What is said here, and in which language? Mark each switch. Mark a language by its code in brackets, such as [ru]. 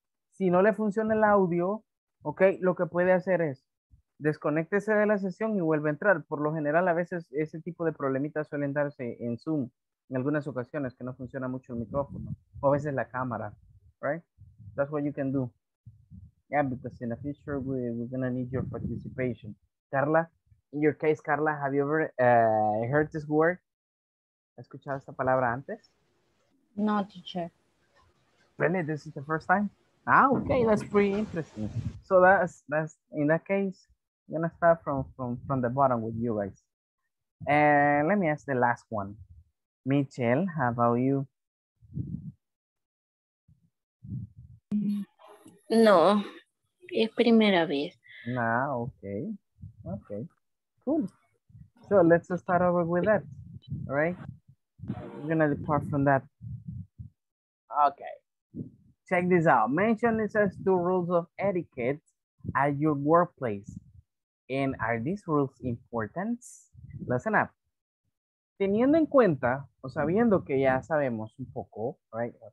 [es] Si no le funciona el audio, okay, lo que puede hacer es desconéctese de la sesión y vuelve a entrar. Por lo general, a veces ese tipo de problemitas suelen darse en Zoom en algunas ocasiones, que no funciona mucho el micrófono o a veces la cámara, right? [en] That's what you can do. Yeah, because in the future we're gonna need your participation. Carla, in your case, Carla, have you ever heard this word? [es] ¿Has escuchado esta palabra antes? [en] No, teacher. Really, this is the first time? Ah, okay, that's pretty interesting. So that's in that case, I'm gonna start from the bottom with you guys. And let me ask the last one. Michelle, how about you? [es] No, es primera vez. [en] Ah, okay. Okay, cool. So let's start over with that, all right? We're gonna depart from that. Okay, check this out. Mention it says two rules of etiquette at your workplace. And are these rules important? Listen up. [es] Teniendo en cuenta, o sabiendo que ya sabemos un poco, right?